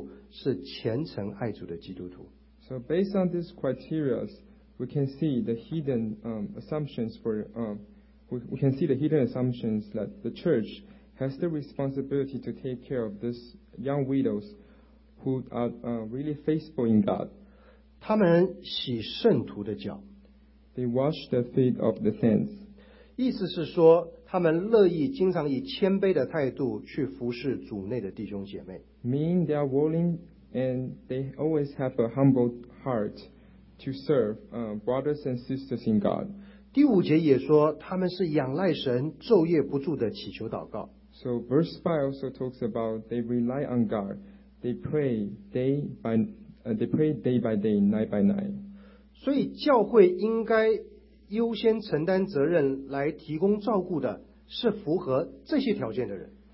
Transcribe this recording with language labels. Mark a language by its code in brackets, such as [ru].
[zh] 那从这些名列的条件当中，我们可以看到隐含的基本假设是，教会有责任优先照顾的寡妇是虔诚爱主的基督徒。So [en] based on these criteria, we can see the hidden assumptions for we can see the hidden assumptions that the church has the responsibility to take care of these young widows who are really faithful in God. [zh] 他们洗圣徒的脚。 [en] They wash the feet of the saints. [zh] 意思是说他们乐意经常以谦卑的态度去服侍主内的弟兄姐妹。 [en] Mean they are willing and they always have a humble heart to serve brothers and sisters in God. [zh] 第五节也说他们是仰赖神昼夜不住的祈求祷告。 [en] So verse 5 also talks about they rely on God. They pray day by day, night by night. [zh] 所以教会应该优先承担责任来提供照顾的是符合这些条件的人。